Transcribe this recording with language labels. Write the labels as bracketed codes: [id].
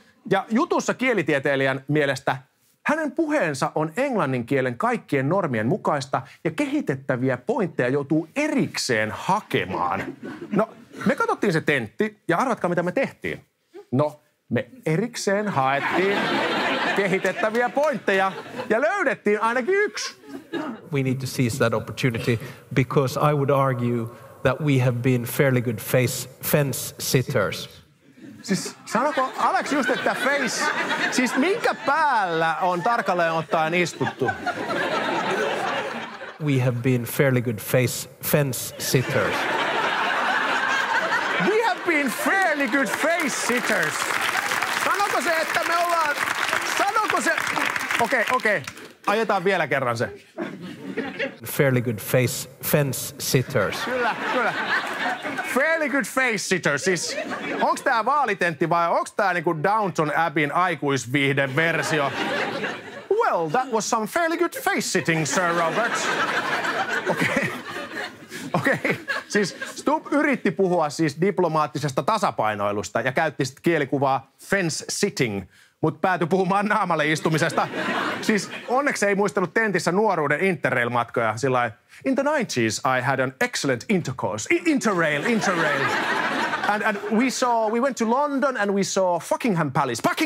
[fi] Ja jutussa kielitieteilijän mielestä hänen puheensa on englannin kielen kaikkien normien mukaista ja kehitettäviä pointteja joutuu erikseen hakemaan. No, me katsottiin se tentti ja arvatkaa, mitä me tehtiin. No, Me erikseen haettiin kehitettäviä pointteja ja löydettiin ainakin yksi. [en] We need to seize that opportunity because I would argue that we have been fairly good fence sitters. [fi] Siis sanoko Alex just, että face, siis minkä päällä on tarkalleen ottaen istuttu? [en] We have been fairly good fence sitters. We have been fairly good face sitters. [fi] Sanoko se, että me ollaan, sanoko se, okei, ajetaan vielä kerran se. [en] Fairly good fence sitters. [fi] Kyllä. [en] Fairly good face sitters. [fi] Siis, onks tää vaalitentti vai onks tää niinku Downton Abbeyn aikuisviihden versio? [en] Well, that was some fairly good face sitting, Sir Robert. [fi] Okei. Siis Stubb yritti puhua siis diplomaattisesta tasapainoilusta ja käytti sit kielikuvaa fence sitting, mutta päätyi puhumaan naamalle istumisesta. Siis onneksi ei muistellut tentissä nuoruuden interrail-matkoja sillä [en] in the 90s I had an excellent intercourse. Interrail. And we went to London and we saw Buckingham Palace.